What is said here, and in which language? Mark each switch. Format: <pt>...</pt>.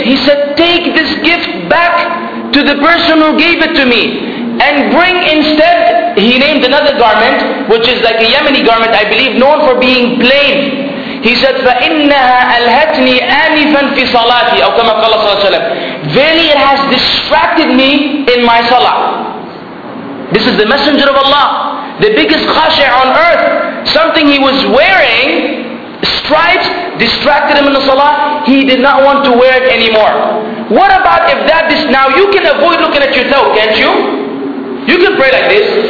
<en>He said, "Take this gift back to the person who gave it to me, and bring instead." He named another garment, which is like a Yemeni garment, I believe, known for being plain. He said,</en> <ar>"فَإِنَّهَا أَلْهَتْنِي آنِفًا فِي صَلَاتِي أَوْ كَمَا قَالَ صَلَّى اللَّهُ عَلَيْهِ وَسَلَّمَ."</ar> <en>Verily, it has distracted me in my salah. This is the Messenger of Allah, the biggest khashi' on earth. Something he was wearing, stripes, distracted him in the salah. He did not want to wear it anymore. What about if that is, now you can avoid looking at your thawb, can't you? You can pray like this.</en>